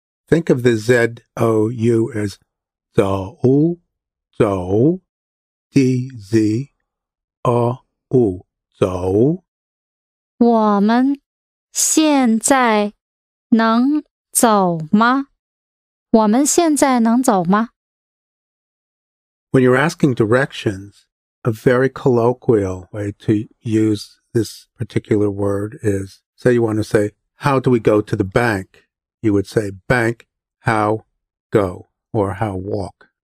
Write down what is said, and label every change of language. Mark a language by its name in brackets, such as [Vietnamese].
[English] Think of the Z-O-U as 走 D-Z-O-U 走 [Chinese] 我们现在能走吗我们现在能走吗 [English] When you're asking directionsA very colloquial way to use this particular word is, say you want to say, how do we go to the bank? You would say, bank, how, go, or how, walk.